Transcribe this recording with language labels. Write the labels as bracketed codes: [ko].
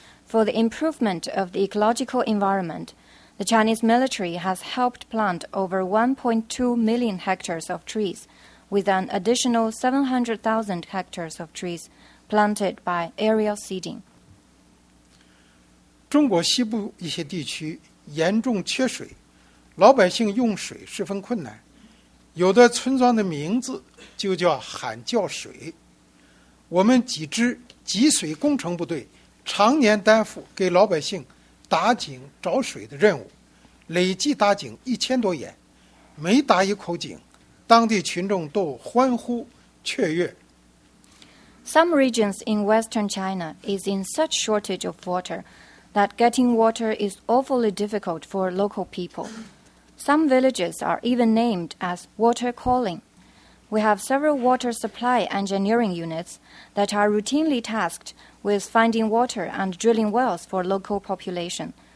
[en] For the improvement of the ecological environment, the Chinese military has helped plant over 1.2 million hectares of trees. with an additional 700,000 hectares of trees planted by aerial seeding. [zh] 中国西部一些地区严重缺水, 老百姓用水十分困难, 有的村庄的名字就叫喊叫水, 我们几支集水工程部队 常年担负给老百姓打井找水的任务, 累计打井1000多眼, 每打一口井, 当地群众都欢呼雀跃。 [en] Some regions in western China is in such shortage of water that getting water is awfully difficult for local people. Some villages are even named as water calling. We have several water supply engineering units that are routinely tasked with finding water and drilling wells for local population.